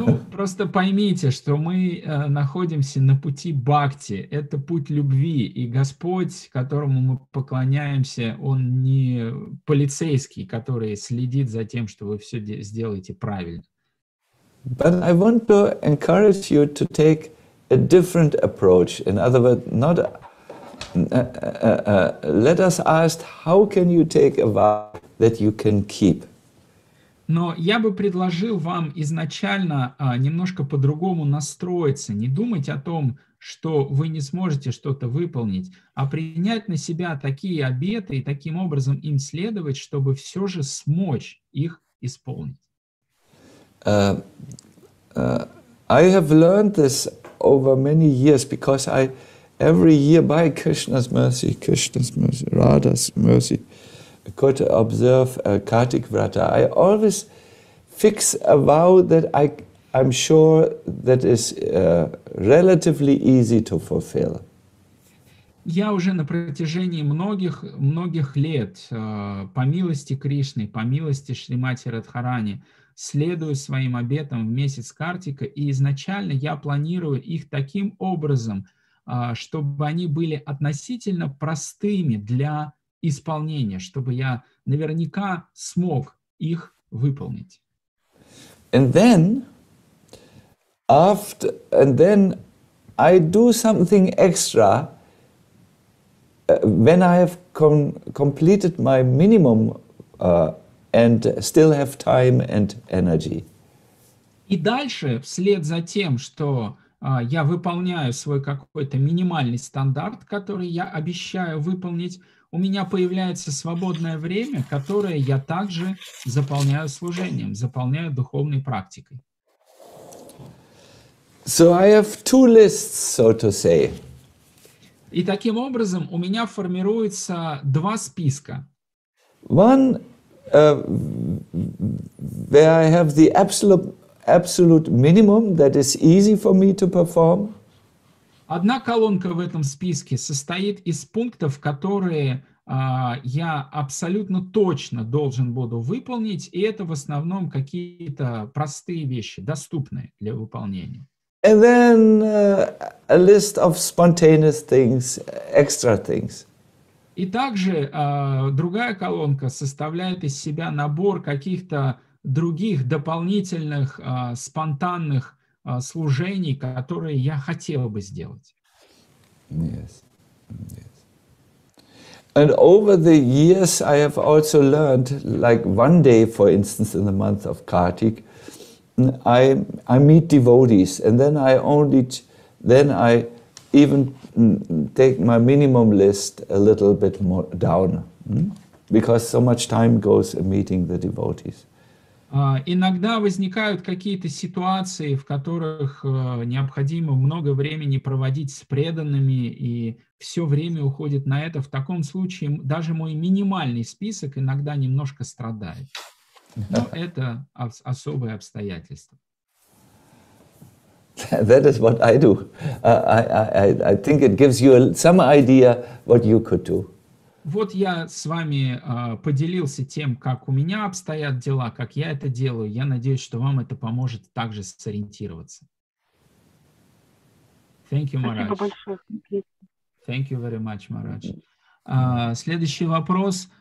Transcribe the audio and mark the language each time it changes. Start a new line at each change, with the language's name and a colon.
Russian: просто поймите, что мы находимся на пути бхакти. Это путь любви, и Господь, которому мы поклоняемся, он не полицейский, который следит за тем, что вы все сделаете правильно.
English: But I want to encourage you to take a different approach. In other words, not let us ask, how can you take a vow that you can keep?
Russian: Но я бы предложил вам изначально немножко по-другому настроиться, не думать о том, что вы не сможете что-то выполнить, а принять на себя такие обеты и таким образом им следовать, чтобы все же смочь их исполнить.
English: I have learned this over many years because I every year by Krishna's mercy, Radha's mercy, could observe a Kartik Vrata. I always fix a vow that I'm sure that is relatively easy to fulfill.
Russian: Я уже на протяжении многих лет по милости Кришны, по милости Шримати Радхарани, следую своим обетам в месяц Картика, и изначально я планирую их таким образом, чтобы они были относительно простыми для исполнения, чтобы я наверняка смог их выполнить.
English: And then I do something extra when I have completed my minimum and still have time and energy.
Russian: И дальше, вслед за тем, что я выполняю свой какой-то минимальный стандарт, который я обещаю выполнить, у меня появляется свободное время, которое я также заполняю служением, заполняю духовной практикой.
English: So I have two lists, so to say.
Russian: И таким образом у меня формируется два списка.
English: One where I have the absolute minimum that is easy for me to perform.
Russian: Одна колонка в этом списке состоит из пунктов, которые я абсолютно точно должен буду выполнить, и это в основном какие-то простые вещи, доступные для выполнения.
English: And then a list of spontaneous things, extra things.
Russian: И также другая колонка составляет из себя набор каких-то других дополнительных спонтанных служений, которые я хотел бы сделать.
English: Yes. Yes. And over the years I have also learned, like one day, for instance, in the month of Kartik, I meet devotees, and then I even take my minimum list a little bit more down, because so much time goes in meeting the devotees.
Russian: Иногда возникают какие-то ситуации, в которых необходимо много времени проводить с преданными, и все время уходит на это. В таком случае даже мой минимальный список иногда немножко страдает. Но это особые обстоятельства.
English: That is what I do. I think it gives you some idea what you could do.
Russian: Вот я с вами поделился тем, как у меня обстоят дела, как я это делаю. Я надеюсь, что вам это поможет также сориентироваться.
English: Thank you, Maharaj.
Russian: Спасибо большое.
English: Thank you very much, Maharaj.
Russian: Следующий вопрос.